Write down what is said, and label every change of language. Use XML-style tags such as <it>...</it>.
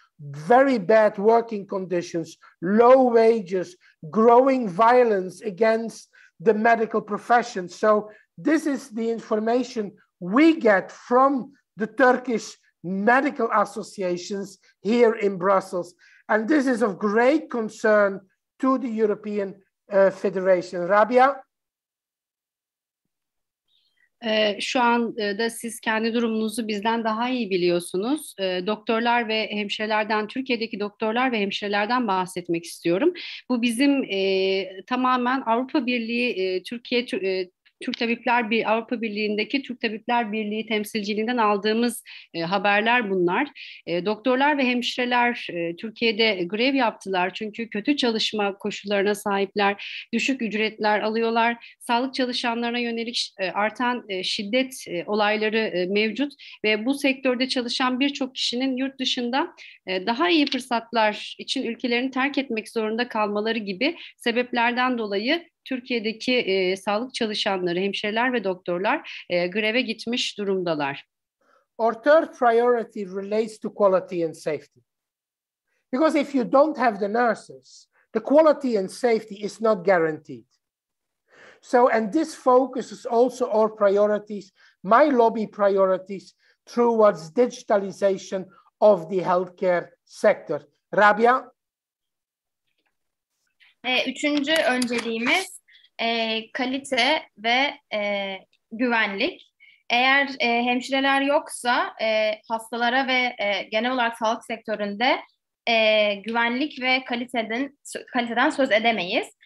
<en>Very bad working conditions, low wages, growing violence against the medical profession. So this is the information we get from the Turkish medical associations here in Brussels. And this is of great concern to the European Federation. Rabia?</en> <tr>Şu anda siz kendi durumunuzu bizden daha iyi biliyorsunuz. Doktorlar ve hemşirelerden, Türkiye'deki doktorlar ve hemşirelerden bahsetmek istiyorum. Bu bizim tamamen Avrupa Birliği, Türkiye Türk Tabipler Birliği, Avrupa Birliği'ndeki Türk Tabipler Birliği temsilciliğinden aldığımız haberler bunlar. Doktorlar ve hemşireler Türkiye'de grev yaptılar çünkü kötü çalışma koşullarına sahipler, düşük ücretler alıyorlar. Sağlık çalışanlarına yönelik artan şiddet olayları mevcut ve bu sektörde çalışan birçok kişinin yurt dışında daha iyi fırsatlar için ülkelerini terk etmek zorunda kalmaları gibi sebeplerden dolayı Türkiye'deki sağlık çalışanları, hemşireler ve doktorlar greve gitmiş durumdalar.</tr> <en>Our third priority relates to quality and safety. Because if you don't have the nurses, the quality and safety is not guaranteed. So, and this focuses also our priorities, my lobby priorities, towards digitalization of the healthcare sector. Rabia?</en> <tr>Üçüncü önceliğimiz kalite ve güvenlik. Eğer hemşireler yoksa hastalara ve genel olarak sağlık sektöründe güvenlik ve kaliteden söz edemeyiz.</tr>